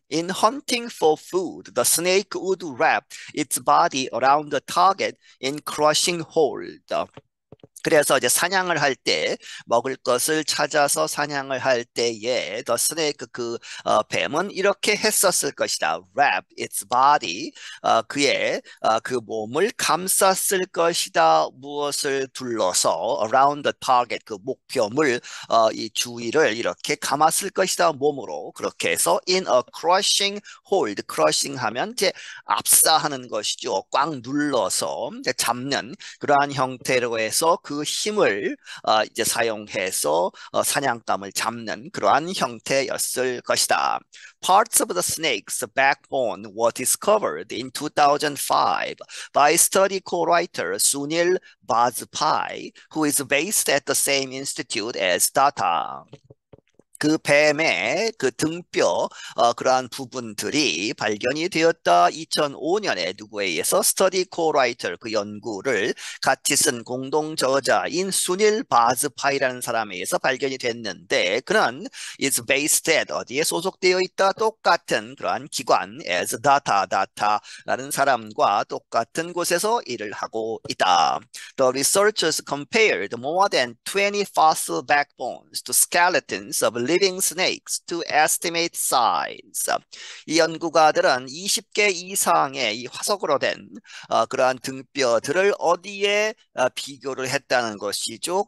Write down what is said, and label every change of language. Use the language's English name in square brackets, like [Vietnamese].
[English] In hunting for food, the snake would wrap its body around the target in crushing hold. [Korean] 그래서 이제 사냥을 할 때, 먹을 것을 찾아서 사냥을 할 때에, [English] the snake, [Korean] 뱀은 이렇게 했었을 것이다. [English] Wrap its body, [Korean] 그의 그 몸을 감쌌을 것이다. 무엇을 둘러서 [English] around the target, [Korean] 그 목표물, 이 주위를 이렇게 감았을 것이다. 몸으로. 그렇게 해서 [English] in a crushing hold, [Korean] crushing 하면 이제 압사하는 것이죠. 꽉 눌러서 이제 잡는 그러한 형태로 해서 그 힘을 이제 사용해서 사냥감을 잡는 그러한 형태였을 것이다. [English] Parts of the snake's backbone were discovered in 2005 by study co-writer Sunil Bajpai, who is based at the same institute as Datta. [Korean] 그 뱀의 그 등뼈 그러한 부분들이 발견이 되었다. 2005년에 누구에 의해서 스터디 코라이터 그 연구를 같이 쓴 공동 저자인 수닐 바즈파이라는 사람에 의해서 발견이 됐는데 그는 [English] is based at [Korean] 어디에 소속되어 있다. 똑같은 그러한 기관 [English] as data [Korean] 라는 사람과 똑같은 곳에서 일을 하고 있다. [English] The researchers compared more than 20 fossil backbones to skeletons of living snakes to estimate size. [Korean] 이 연구가들은 20개 이상의 이 화석으로 된 그러한 등뼈들을 어디에 비교를 했다는 것이죠.